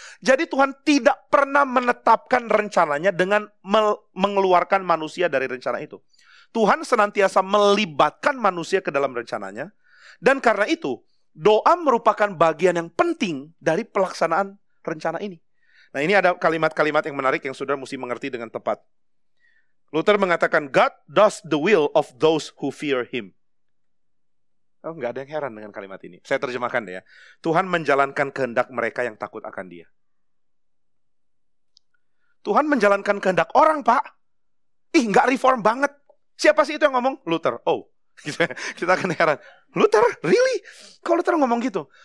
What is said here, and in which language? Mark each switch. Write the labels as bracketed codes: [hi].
[id] Jadi Tuhan tidak pernah menetapkan rencananya dengan mengeluarkan manusia dari rencana itu. Tuhan senantiasa melibatkan manusia ke dalam rencananya. Dan karena itu, doa merupakan bagian yang penting dari pelaksanaan rencana ini. Nah, ini ada kalimat-kalimat yang menarik yang saudara mesti mengerti dengan tepat. Luther mengatakan, [en] God does the will of those who fear him. [id] Oh, enggak ada yang heran dengan kalimat ini. Saya terjemahkan deh ya. Tuhan menjalankan kehendak mereka yang takut akan dia. Tuhan menjalankan kehendak orang, Pak. Ih, enggak reform banget. Siapa sih itu yang ngomong? Luther. Oh, kita akan heran. Luther? Really? Kok Luther ngomong gitu?